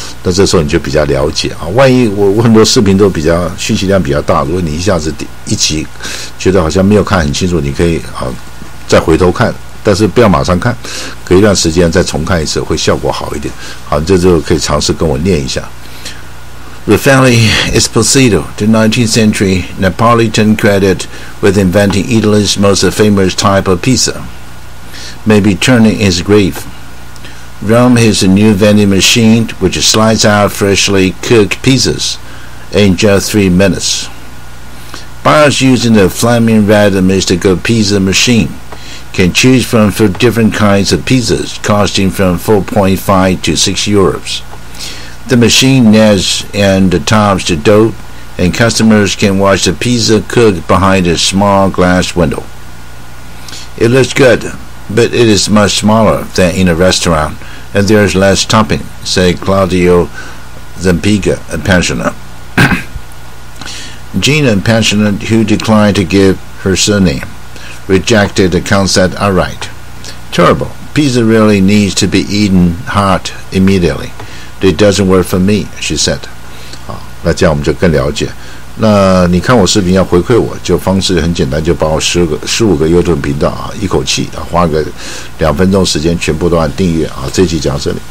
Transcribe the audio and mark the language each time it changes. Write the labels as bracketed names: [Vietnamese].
[Chinese] 那这时候你就比较了解啊。万一我很多视频都比较信息量比较大，如果你一下子一集觉得好像没有看很清楚，你可以啊再回头看但是不要马上看，隔一段时间再重看一次会效果好一点。好，这就可以尝试跟我念一下。 [English] The family Esposito, the 19th century Neapolitan credit with inventing Italy's most famous type of pizza, may be turning his grave. Rome has a new vending machine which slides out freshly cooked pizzas in just 3 minutes. Buyers using the flaming red Mystico pizza machine can choose from 4 different kinds of pizzas costing from 4.5 to 6 euros. The machine nets and the tops the dough, and customers can watch the pizza cook behind a small glass window. It looks good, but it is much smaller than in a restaurant, and there is less topping, said Claudio Zampiga, a pensioner. Gina, a pensioner who declined to give her surname, rejected the concept outright. Terrible. Pizza really needs to be eaten hot immediately. It doesn't work for me, she said. [Chinese] 好，那这样我们就更了解。那你看我视频要回馈我，就方式很简单，就把我15个 YouTube 频道啊，一口气啊，花个2分钟时间全部都按订阅啊。这期讲这里。